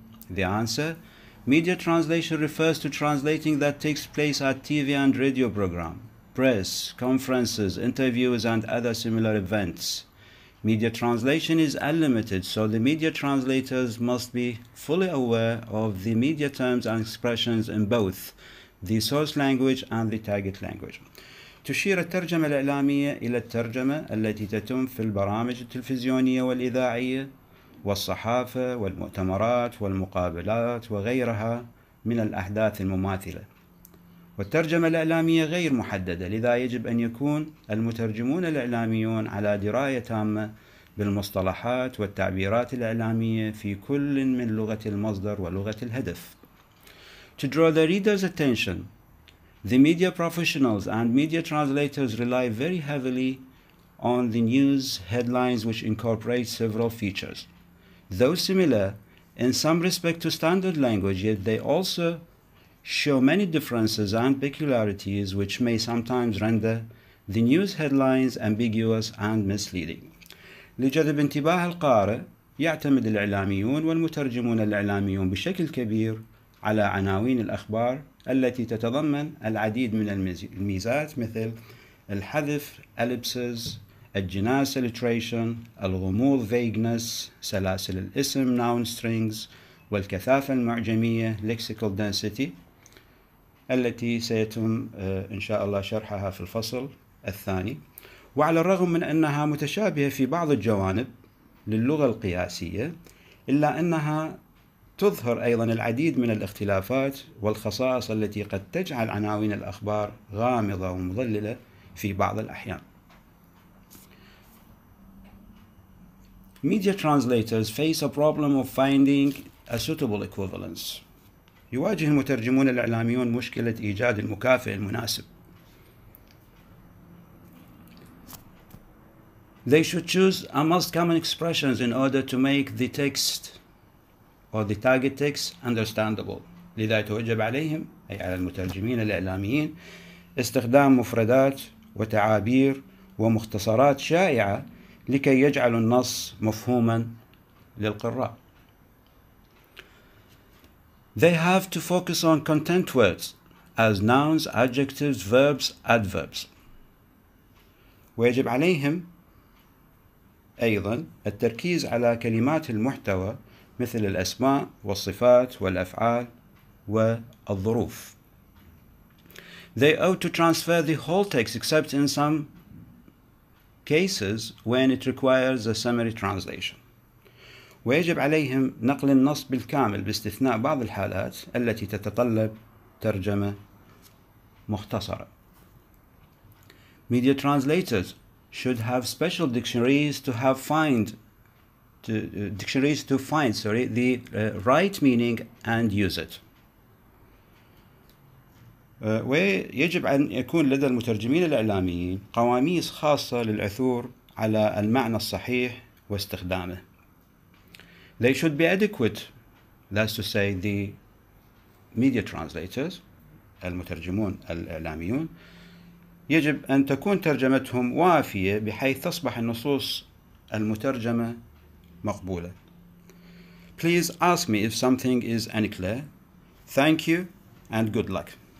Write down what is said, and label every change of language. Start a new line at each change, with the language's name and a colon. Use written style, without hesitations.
English: The answer, media translation refers to translating that takes place at TV and radio program, press, conferences, interviews, and other similar events. Media translation is unlimited, so the media translators must be fully aware of the media terms and expressions in both the source language and the target language.
Arabic: تشير الترجمة الإعلامية إلى الترجمة التي تتم في البرامج التلفزيونية والإذاعية والصحافة والمؤتمرات والمقابلات وغيرها من الأحداث المماثلة. والترجمة الإعلامية غير محددة، لذا يجب أن يكون المترجمون الإعلاميون على دراية تامة بالمصطلحات والتعبيرات الإعلامية في كل من لغة المصدر ولغة الهدف.
English: To draw the reader's attention, the media professionals and media translators rely very heavily on the news headlines, which incorporate several features. Though similar in some respect to standard language, yet they also show many differences and peculiarities which may sometimes render the news headlines ambiguous and misleading.
Arabic: لجذب انتباه القارئ يعتمد الإعلاميون والمترجمون الإعلاميون بشكل كبير على عناوين الأخبار التي تتضمن العديد من الميزات مثل الحذف ellipses, الجناس alliteration, الغموض vagueness, سلاسل الاسم noun strings, والكثافة المعجمية lexical density التي سيتم إن شاء الله شرحها في الفصل الثاني. وعلى الرغم من أنها متشابهة في بعض الجوانب للغة القياسية، إلا أنها تظهر أيضا العديد من الاختلافات والخصائص التي قد تجعل عناوين الأخبار غامضة ومضللة في بعض الأحيان.
English: Media translators face a problem of finding a suitable equivalence.
Arabic: يواجه المترجمون الإعلاميون مشكلة إيجاد المكافئ المناسب.
English: They should choose a most common expressions in order to make the text or the target text understandable.
Arabic: لذا يتوجب عليهم أي على المترجمين الإعلاميين استخدام مفردات وتعابير ومختصرات شائعة لكي يجعل النص مفهوما للقراء.
English: They have to focus on content words as nouns, adjectives, verbs, adverbs.
Arabic: ويجب عليهم أيضا التركيز على كلمات المحتوى مثل الأسماء والصفات والأفعال والظروف.
English: They ought to transfer the whole text except in some cases when it requires a summary translation.
Arabic: ويجب عليهم نقل النص بالكامل باستثناء بعض الحالات التي تتطلب ترجمة مختصرة.
English: Media translators should have special dictionaries to have find to dictionaries to find sorry the right meaning and use it.
Arabic: ويجب أن يكون لدى المترجمين الإعلاميين قواميس خاصة للعثور على المعنى الصحيح واستخدامه.
English: They should be adequate, that's to say the media translators,
Arabic: المترجمون الإعلاميون, يجب أن تكون ترجمتهم وافية بحيث تصبح النصوص المترجمة مقبولة.
English: Please ask me if something is unclear. Thank you and good luck.